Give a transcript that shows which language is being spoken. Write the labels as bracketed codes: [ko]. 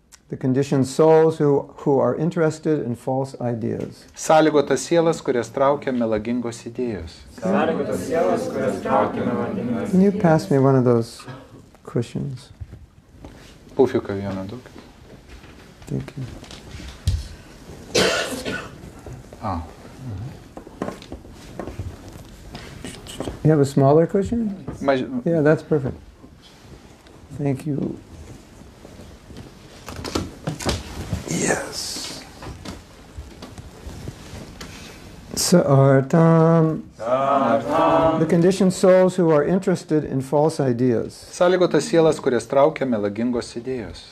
[en] The conditioned souls who are interested in false ideas. [lt] Sąlygotas sielas, kurias traukia melagingos idėjos. Sąlygotas sielas, kurias traukia melagingos idėjos. [en] Can you pass me one of those cushions? [lt] Pufiuką vieną duk. [en] Thank you. Oh. You have a smaller cushion? My, yeah, that's perfect. Thank you. Yes. Sa'artam. Sa'artam. The conditioned souls who are interested in false ideas. [lt] Sąlygotas sielas, kurias traukia melagingos idėjos.